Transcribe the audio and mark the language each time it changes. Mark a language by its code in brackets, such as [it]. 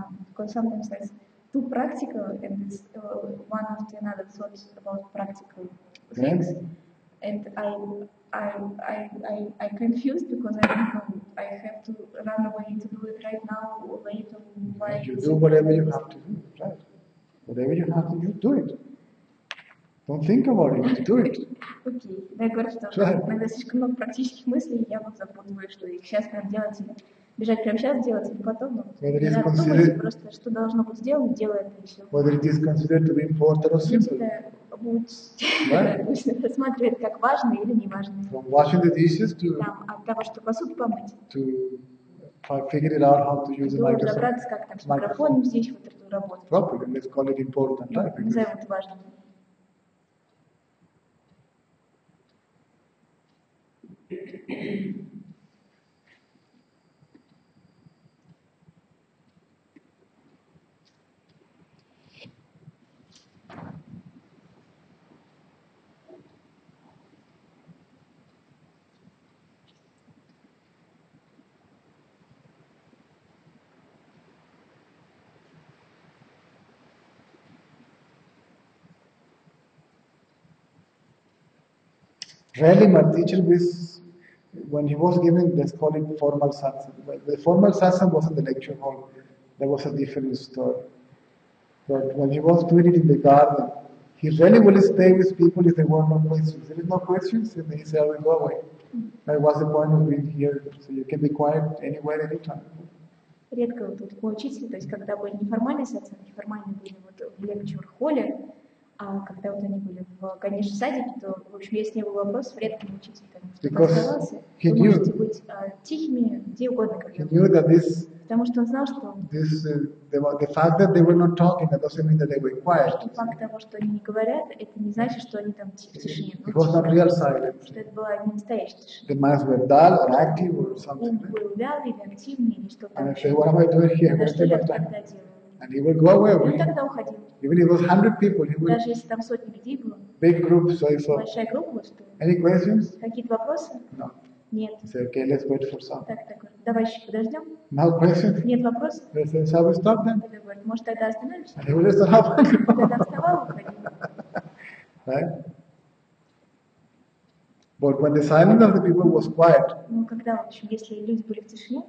[en] Because sometimes there's too practical, and it's one of the other thoughts about practical things. Yeah. And I confused because I don't know. I have to run away to do it right now, or wait on why. You do whatever you have to do, right? Whatever you have to do, do it. Don't think about it, do it. [ru] Окей, да, я говорю, что иногда слишком много практических мыслей, я вот запутываю, что их сейчас прям делать, или бежать прямо сейчас делать, или потом, но иногда думать просто, что должно быть сделано, делаем и все. [en] Whether it is considered to be important or simple. [ru] Это будет рассматривать как важное или неважное. [en] From washing the dishes to... [ru] Там, от того, что посуду помыть. [en] To figure it out how to use the microphone. [ru] Разобраться, как там с микрофоном здесь вот эту работу. [en] Properly, let's call it important, right? [ru] Назовем это важным. [en] Really, my teacher was. When he was giving, let's call it formal satsang. The formal satsang was in the lecture hall. That was a different story. But when he was doing it in the garden, he really would stay with people if there were no questions. If there is no questions, and then he said, I will go away. That was the point of being here. So you can be quiet anywhere, anytime. [ru] Редко вот у такого учителя, то есть когда были неформальные сатсанги, неформальные были вот в лекчур холле, а когда вот они были в, конечно, садике, то, в общем, если не было вопросов, редко учитель там оставался. Вы можете быть тихими где угодно, как потому что он знал, что [en] The fact that they were not talking, that doesn't mean that they were quiet. [ru] Факт того, что они не говорят, это не значит, что они там тихие. [en] It was not real silence. [ru] Что это была не настоящая тишина. [en] The minds were dull or active or something. [ru] Он был вялый, неактивный или что-то. [en] And I said, what am I doing here? [ru] Что я тогда делаю? [en] And he would go away. [ru] Он тогда уходил. [en] Even if it was 100 people, he would. [ru] Даже если там сотни людей было. [en] Big group, so I saw. [ru] Большая группа, что. [en] Any questions? [ru] Какие-то вопросы? [en] No. [ru] Нет. [en] He said, okay, let's wait for some. [ru] Так, давай еще подождем. [en] No questions? [ru] Нет вопросов. [en] They said, shall we stop then? [ru] Тогда говорит, может, тогда остановимся? [en] And he would just stop. [ru] Тогда вставал, уходил. [en] Right? But when the silence of the people was quiet. [ru] Ну, когда, в общем, если люди были в тишине.